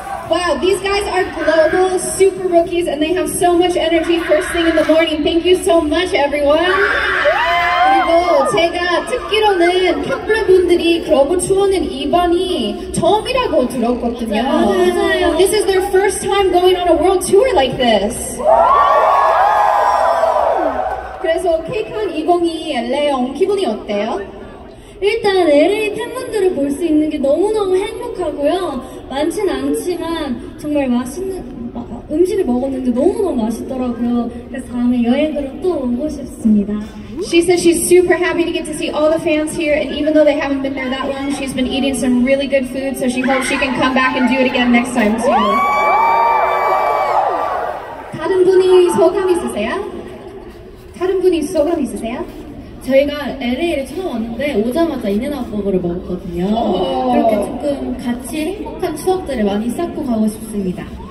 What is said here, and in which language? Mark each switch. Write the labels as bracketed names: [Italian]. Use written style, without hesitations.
[English] Wow, these guys are global super rookies and they have so much energy first thing in the morning. Thank you so much, everyone. We go. [Korean] 제가 듣기로는 Kep1er분들이 글로벌 투어는 이번이 처음이라고 들었거든요. [English] This is their first time going on a world tour like this. [Korean] 그래서 KCON 2022 LA에 온 기분이 어때요? 일단 LA 팬분들을 볼 수 있는 게 너무너무 행복하고요. 많진 않지만 정말 맛있는 음식을 먹었는데 너무너무 맛있더라고요. 그래서 다음에 여행으로 또 오고 싶습니다. [English] She says she's super happy to get to see all the fans here, and even though they haven't been there that long, she's been eating some really good food, so she hopes she can come back and do it again next time too. [Korean] 다른 분이 소감 있으세요? 다른 분이 소감 있으세요? 저희가 LA를 처음 왔는데 오자마자 인앤아웃버거를 먹었거든요. 그렇게 조금 같이 행복한 추억들을 많이 쌓고 가고 싶습니다.